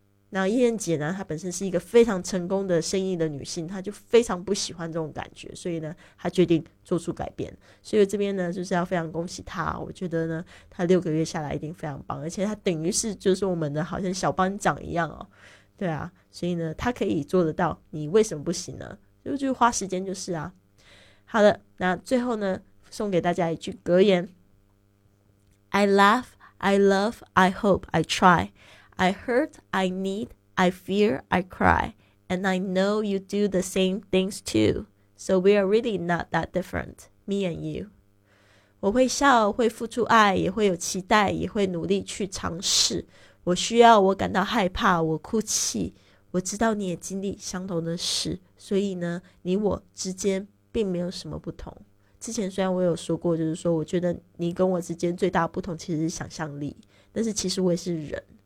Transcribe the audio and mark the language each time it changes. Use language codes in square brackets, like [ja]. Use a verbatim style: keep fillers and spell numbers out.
[zh] 那燕燕姐呢，她本身是一个非常成功的生意的女性，她就非常不喜欢这种感觉，所以呢她决定做出改变。所以这边呢就是要非常恭喜她，我觉得呢她六个月下来一定非常棒，而且她等于是就是我们的好像小班长一样哦，对啊，所以呢她可以做得到，你为什么不行呢？就就花时间就是啊。好的，那最后呢送给大家一句格言， [en] I laugh, I love, I hope, I try,I hurt, I need, I fear, I cry, and I know you do the same things too. So we are really not that different, me and you. [zh] 我会笑，会付出爱，也会有期待，也会努力去尝试。我需要，我感到害怕，我哭泣。我知道你也经历相同的事，所以呢，你我之间并没有什么不同。之前虽然我有说过，就是说，我觉得你跟我之间最大的不同其实是想象力，但是其实我也是人。